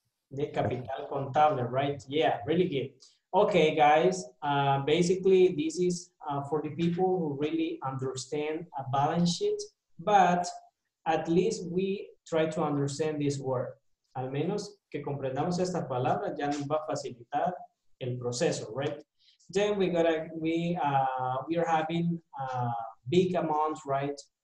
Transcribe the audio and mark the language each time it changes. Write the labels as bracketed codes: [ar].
[en] The capital contable, right? Yeah, really good. Okay, guys, basically this is for the people who really understand a balance sheet, but at least we try to understand this word. [es] Al menos que comprendamos esta palabra ya nos va a facilitar el proceso, right? [en] Then we are having a big amount, right?